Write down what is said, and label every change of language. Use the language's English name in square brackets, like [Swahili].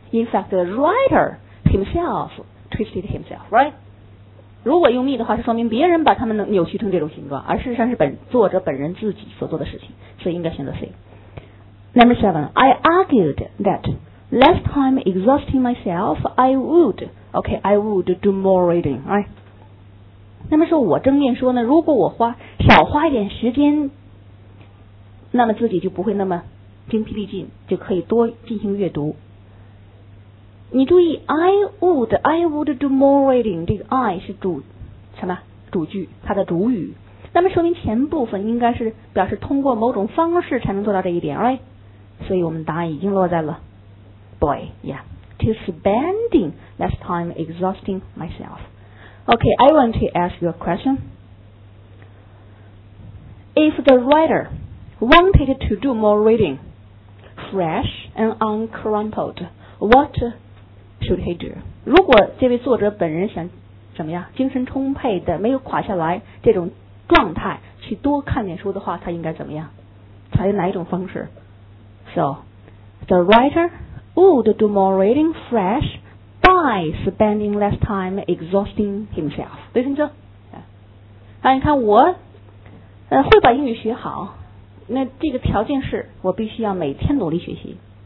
[English] In fact, the writer himself twisted himself, right? [Chinese] 如果用 me 的话，是说明别人把他们扭曲成这种形状，而事实上是作者本人自己所做的事情，所以应该选择 C. [English] Number 7, I argued that last time exhausting myself, I would do more reading, right? [Chinese] 那么说我正面说呢，如果我少花一点时间，那么自己就不会那么精疲力尽，就可以多进行阅读。你注意 [English] I would do more reading， [Chinese] 这个 I 是主什么主句，它的主语，那么说明前部分应该是表示通过某种方式才能做到这一点 right？所以我们答案已经落在了 boy yeah， [English] to spending less time exhausting myself。 OK， I want to ask you a question。 If the writerWanted to do more reading, fresh and uncrumpled. What should he do? [Chinese] 如果这位作者本人想怎么样，精神充沛的，没有垮下来这种状态，去多看点书的话，他应该怎么样？采用哪一种方式 [English] ？So, the writer would do more reading fresh by spending less time exhausting himself. [Chinese] 对，听着。啊，你看我，会把英语学好。那这个条件是我必须要每天努力学习。